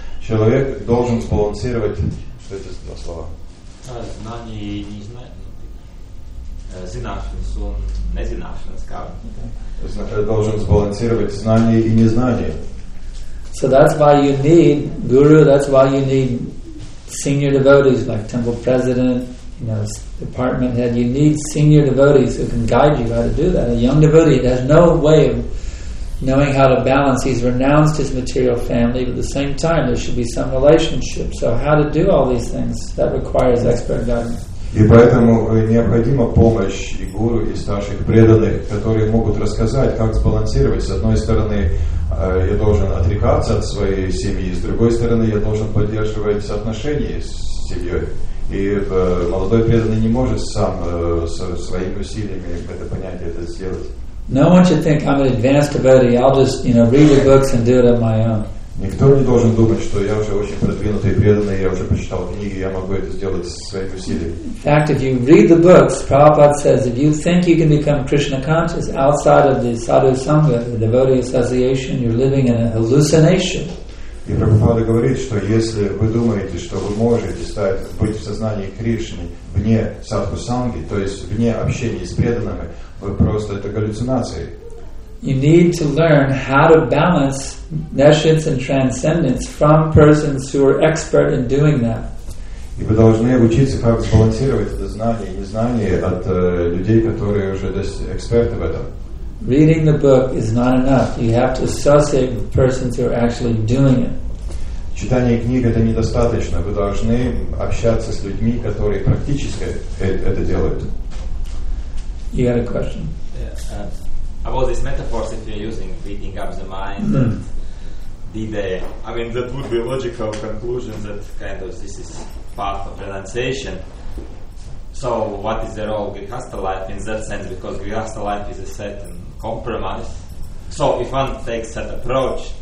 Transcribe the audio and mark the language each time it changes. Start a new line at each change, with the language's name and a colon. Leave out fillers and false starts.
Russian: Человек должен сбалансировать, что это за слова? Знание и незнание. Незнание. Должен сбалансировать знание и незнание.
English: So that's why you need guru, that's why you need senior devotees, like temple president, you know, department head. You need senior devotees who can guide you how to do that. A young devotee has no way of knowing how to balance, he's renounced his material family, but at the same time there should be some relationship. So how to do all these things, that requires expert guidance.
Russian: И поэтому необходима помощь и гуру, и старших преданных, которые могут рассказать, как сбалансировать. С одной стороны, я должен отрекаться от своей семьи, с другой стороны, я должен поддерживать отношения с семьей. И молодой преданный не может сам своими усилиями это понять, это сделать.
English: No one should think I'm an advanced devotee, I'll just, you know, read the books and do it on my own.
Russian: Никто не должен думать, что я уже очень продвинутый и преданный, я уже прочитал книги, я могу это сделать со своими усилиями.
English: In fact, if you read the books, Prabhupada says, if you think you can become Krishna conscious outside of the Sadhu Sangha, the devotee association, you're living in a hallucination.
Russian: И Прабхупада говорит, что если вы думаете, что вы можете стать, быть в сознании Кришны вне Садху Санги, то есть вне общения с преданными, вы просто, это галлюцинация.
English: You need to learn how to balance nescience and transcendence from persons who are expert in doing that.
Russian: И вы должны учиться, как сбалансировать это знание и незнание от людей, которые уже эксперты в этом.
English: Reading the book is not enough. You have to associate with persons who are actually doing it.
Russian: Читание книг это недостаточно. Вы должны общаться с людьми, которые практически это делают.
English: You had a question? About these metaphors that you're using, beating up the mind, that would be a logical conclusion that kind of this is part of renunciation. So what is the role of grihastha life in that sense? Because grihastha life is a certain compromise. So if one takes that approach,